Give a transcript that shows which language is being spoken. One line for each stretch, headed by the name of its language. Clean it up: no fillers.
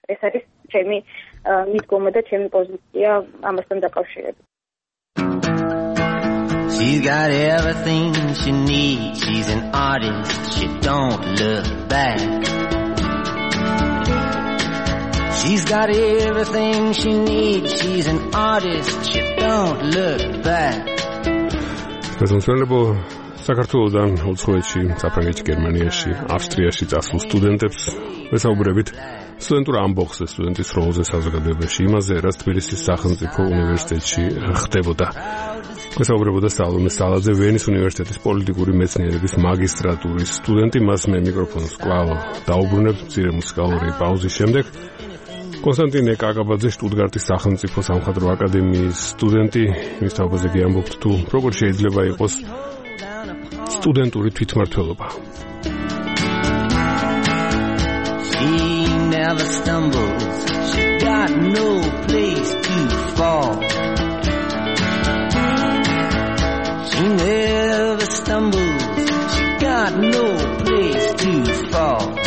Georgian: ეს არის ჩემი მიდგომა და ჩემი პოზიცია ამასთან დაკავშირებით.
English: She's got everything she needs. She's an artist. She don't look back. She's got everything she needs. She's an artist. She don't look back.
Georgian: გაზონსელებო საქართველოსთან უცხოეთში, საფრანგეთში, გერმანიაში, ავსტრიაში წასულ სტუდენტებს ვესაუბრებით სტუდენტურ ამბოხზე, სტუდენტის როლზე საზოგადოებაში, იმაზე, რაც თბილისის სახელმწიფო უნივერსიტეტში ხდებოდა. ვესაუბრებოდა სალომე სალაძე, ვენის უნივერსიტეტის პოლიტიკური მეცნიერების მაგისტრატურის სტუდენტი. მას მე მიკროფონს კვლავ დაუბრუნებ მცირე მუსიკალური პაუზის შემდეგ. კონსტანტინე კაკაბაძე, შტუტგარტის სახელმწიფო სამხატვრო აკადემიის სტუდენტი, მის თავზე გიამბობთ, თუ როგორ შეიძლება იყოს სტუდენტური თვითმმართველობა.
English: She never stumbles, she got no place to fall. She never stumbles, she got no place to fall.